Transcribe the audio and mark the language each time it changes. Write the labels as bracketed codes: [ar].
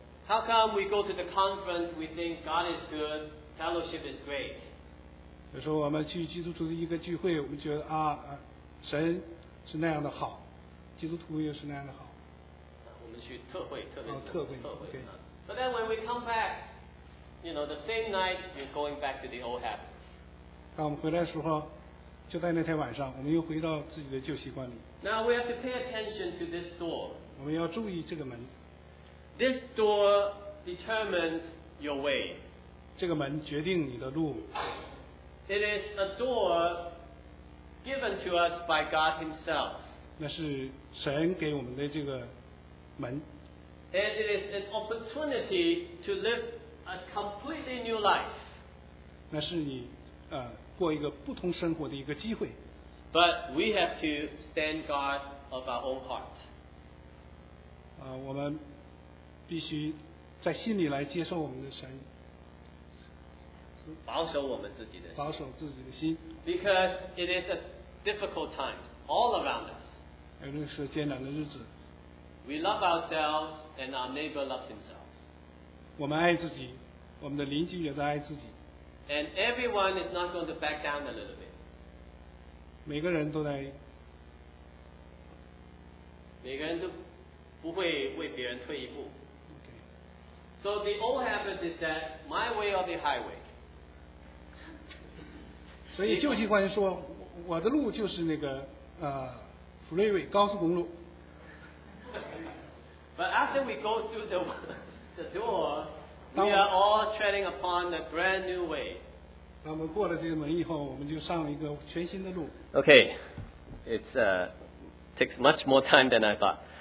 [en] How come we go to the conference, we think God is good, fellowship is great? [zh] 有时候我们去基督徒的一个聚会，我们觉得神是那样的好，基督徒也是那样的好。我们去特会，特会。Okay. [en] But then when we come back, you know, the same night, you're going back to the old habits. [zh] 当我们回来的时候，就在那天晚上，我们又回到自己的旧习惯里。 [en] Now we have to pay attention to this door. [zh] 我们要注意这个门。 [en] This door determines your way. [zh] 这个门决定你的路。 [en] It is a door given to us by God Himself. [zh] 那是神给我们的这个门。 [en] And it is an opportunity to live a completely new life. [zh] 那是你过一个不同生活的一个机会。 [en] But we have to stand guard of our own hearts. [zh] 我们必须在心里来接受我们的神，保守我们自己的心，保守自己的心。 [en] Because it is a difficult time all around us. [zh] 因为是艰难的日子。 [en] We love ourselves and our neighbor loves himself. [zh] 我们爱自己，我们的邻居也在爱自己。 [en] And everyone is not going to back down a little bit. [zh] 每个人都在，每个人都不会为别人退一步。 [en] Okay. So the old habit is that my way or the highway. [zh] 所以旧习惯说，我的路就是那个freeway 高速公路。 [en] But after we go through the door. We are all treading upon a brand new way. [zh] 那我们过了这个门以后，我们就上了一个全新的路。 [en] Okay, it's takes much more time than I thought.